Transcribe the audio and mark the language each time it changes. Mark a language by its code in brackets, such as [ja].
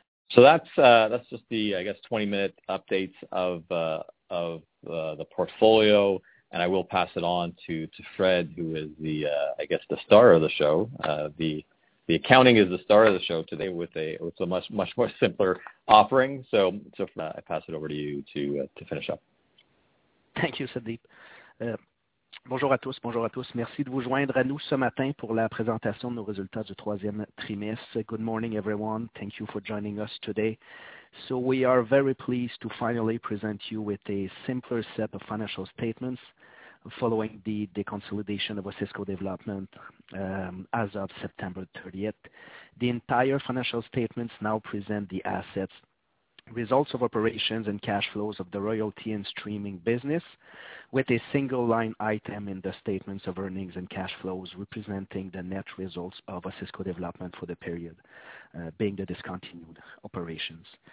[en] So that's just the, I guess, 20-minute update of the portfolio, and I will pass it on to Fred, who is the, I guess, the star of the show, The accounting is the star of the show today with a much, much more simpler offering. So I pass it over to you to finish up. Thank you, Sandeep. [fr] Bonjour à tous. Merci de vous joindre à nous ce matin pour la présentation de nos résultats du troisième trimestre. [en] Good morning, everyone. Thank you for joining us today. So we are very pleased to finally present you with a simpler set of financial statements following the deconsolidation of Osisko Development as of September 30th. The entire financial statements now present the assets, results of operations and cash flows of the royalty and streaming business, with a single line item in the statements of earnings and cash flows representing the net results of Osisko Development for the period, being the discontinued operations.